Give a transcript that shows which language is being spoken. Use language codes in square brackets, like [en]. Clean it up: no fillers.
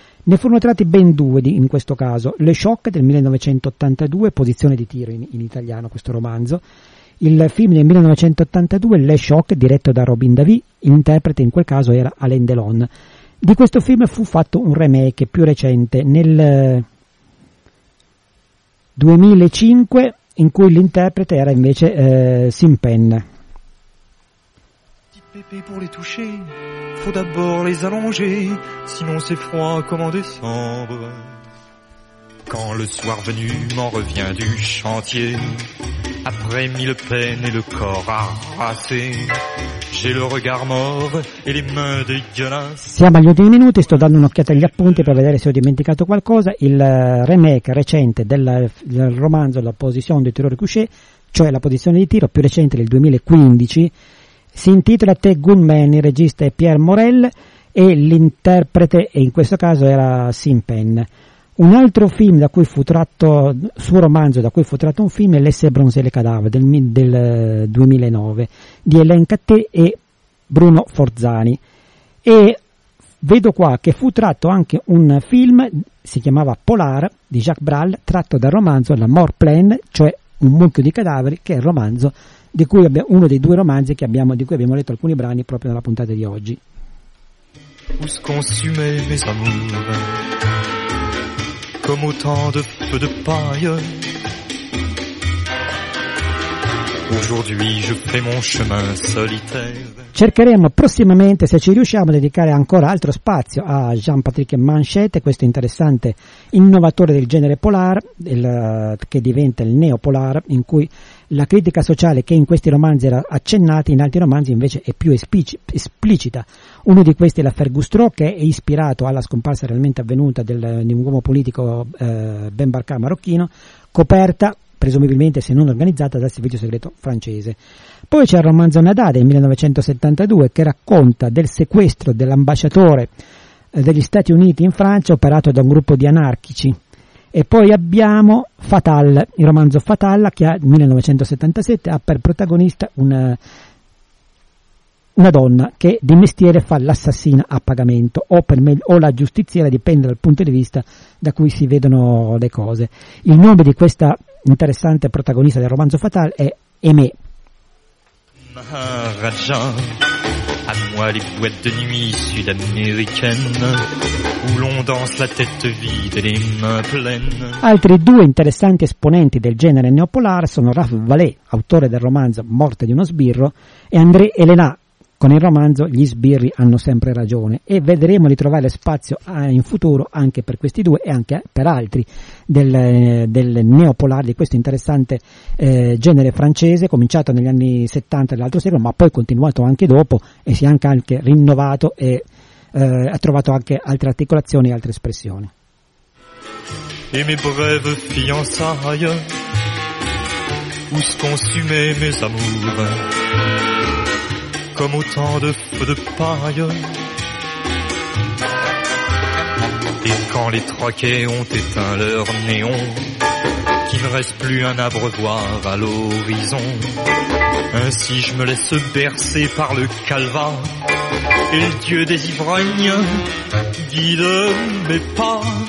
[it] Ne furono tratti ben 2 in questo caso, Le Choc del 1982, Posizione di tiro in italiano questo romanzo, il film del 1982 Le Choc diretto da Robin Davi, l'interprete in quel caso era Alain Delon. Di questo film fu fatto un remake più recente nel 2005 in cui l'interprete era invece Sean Penn. [fr] Pour les toucher, faut d'abord les allonger, sinon c'est froid comme en décembre. Quand le soir venu m'en revient du chantier, après 1000 peines et le corps harassé, j'ai le regard mort et les mains dégueulasses. [it] Siamo agli ultimi minuti, sto dando un'occhiata agli appunti per vedere se ho dimenticato qualcosa. Il remake recente del romanzo La Position du Tireur Couché, cioè La Posizione di Tiro, più recente del 2015, si intitola The Good Man, il regista è Pierre Morel e l'interprete in questo caso era Sean Penn. Un altro film da cui fu tratto, suo romanzo da cui fu tratto un film, è L'Essere Bronze e le Cadavere del 2009 di Hélène Cattè e Bruno Forzani. E vedo qua che fu tratto anche un film, si chiamava Polar di Jacques Brel, tratto dal romanzo La Mort Plaine, cioè Un mucchio di cadaveri, che è il romanzo di cui abbiamo uno dei due romanzi che abbiamo, di cui abbiamo letto alcuni brani proprio nella puntata di oggi. [fr] Où se consumaient mes amours comme autant de feux de paille. Aujourd'hui je fais mon chemin solitaire. [it] Cercheremo prossimamente, se ci riusciamo, a dedicare ancora altro spazio a Jean-Patrick Manchette, questo interessante innovatore del genere polar, che diventa il neopolar, in cui la critica sociale che in questi romanzi era accennata, in altri romanzi invece è più esplicita. Uno di questi è l'affaire Gustreau, che è ispirato alla scomparsa realmente avvenuta di un uomo politico, Ben Barka marocchino, coperta, presumibilmente se non organizzata, dal servizio segreto francese. Poi c'è il romanzo Nadà del 1972, che racconta del sequestro dell'ambasciatore degli Stati Uniti in Francia operato da un gruppo di anarchici. E poi abbiamo Fatal, il romanzo Fatal, che nel 1977 ha per protagonista una donna che di mestiere fa l'assassina a pagamento, o la giustiziera, dipende dal punto di vista da cui si vedono le cose. Il nome di questa interessante protagonista del romanzo Fatal è Aimé. [fr] Maharaja, à moi les boîtes de nuit sud-américaines, où l'on danse la tête vide et les mains pleines. [it] Altri due interessanti esponenti del genere neopolar sono Raph Vallée, autore del romanzo Morte di uno sbirro, e André Elena, con il romanzo Gli sbirri hanno sempre ragione, e vedremo di trovare spazio in futuro anche per questi due e anche per altri del neopolar, di questo interessante genere francese, cominciato negli anni 70 dell'altro secolo, ma poi continuato anche dopo, e si è anche rinnovato e ha trovato anche altre articolazioni e altre espressioni. [fr] Et mes brèves fiançailles, où se consumaient mes amours. Comme autant de feux de paille. Et quand les troquets ont éteint leur néon, qu'il ne reste plus un abreuvoir à l'horizon, ainsi je me laisse bercer par le calva, et le dieu des ivrognes guide mes pas.